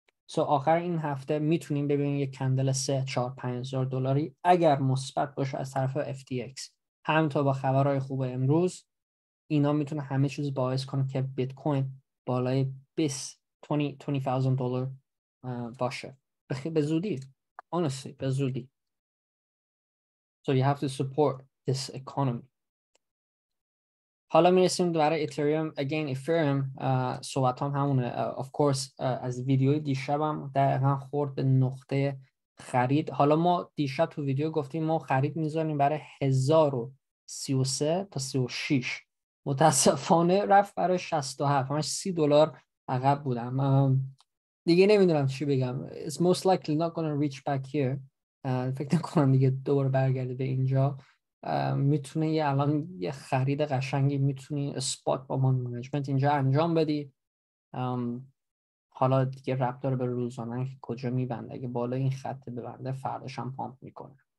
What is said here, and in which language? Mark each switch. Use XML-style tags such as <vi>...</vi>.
<fa>سو آخر این هفته میتونیم ببینیم یک کندل 3-4-5000 دلاری اگر مثبت باشه از طرف FTX. همینطور با خبرهای خوب امروز اینا میتونه همه چیز باعث کنه که بیت کوین بالای 20,000 دلار باشه. به زودی. Honestly, به زودی.</fa> <en>So you have to support this economy.</en> <fa>حالا میرسیم دوباره اتریوم. Again, Ethereum صحبت هم همونه.</fa> <en>Of course,</en> <fa>از ویدیوی دیشبم دقیقا خورد به نقطه خرید. حالا ما دیشب تو ویدیو گفتیم ما خرید میذاریم برای 1033 تا 36. متاسفانه رفت برای 67. همش $30 عقب بودم. دیگه نمیدونم چی بگم.</fa> <en>It's most likely not gonna reach back here.</en> <fa>فکر نکنم دیگه دوباره برگرده به اینجا. میتونه یه الان یه خرید قشنگی میتونی اسپات با من منیجمنت اینجا انجام بدی. حالا دیگه رب داره به روزانه که کجا میبنده. اگه بالا این خط ببنده فرداش هم پامپ میکنه.</fa>